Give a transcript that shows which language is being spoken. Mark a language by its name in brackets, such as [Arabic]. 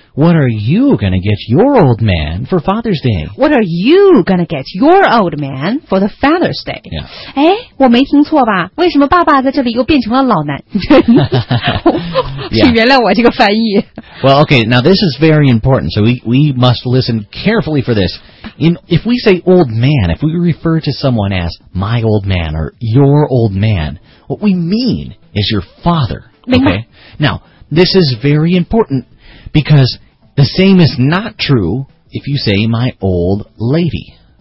[English] What are you gonna get your old man for Father's Day? What are you gonna get your old man for the Father's Day? Yeah. [Chinese] 哎，我没听错吧？为什么爸爸在这里又变成了老男人？请原谅我这个翻译。 [English] Well, okay, now this is very important, so we must listen carefully for this. If we say old man, if we refer to someone as my old man or your old man, what we mean is your father. Okay. Now, this is very important. Because the same is not true if you say my old lady.